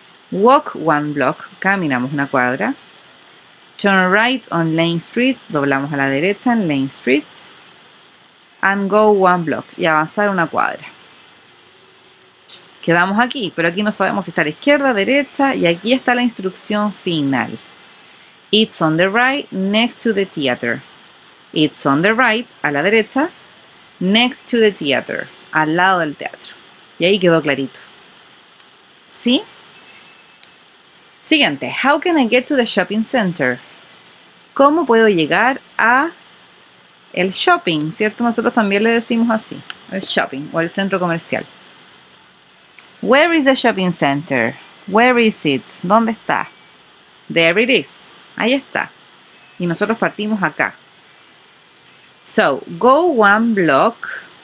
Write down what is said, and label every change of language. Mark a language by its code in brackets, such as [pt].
[en] Walk one block. [es] Caminamos una cuadra. [en] Turn right on Lane Street. [es] Doblamos a la derecha en Lane Street. [en] And go one block. [es] Y avanzar una cuadra. Quedamos aquí, pero aquí no sabemos si está a la izquierda, derecha, y aquí está la instrucción final. [en] It's on the right, next to the theater. It's on the right, [es] a la derecha, [en] next to the theater, [es] al lado del teatro. Y ahí quedó clarito. ¿Sí? Siguiente. [en] How can I get to the shopping center? [es] ¿Cómo puedo llegar a el shopping? ¿Cierto? Nosotros también le decimos así, el shopping o el centro comercial. [en] Where is the shopping center? Where is it? [es] ¿Dónde está? [en] There it is. [es] Ahí está. Y nosotros partimos acá. [en] So, go one block.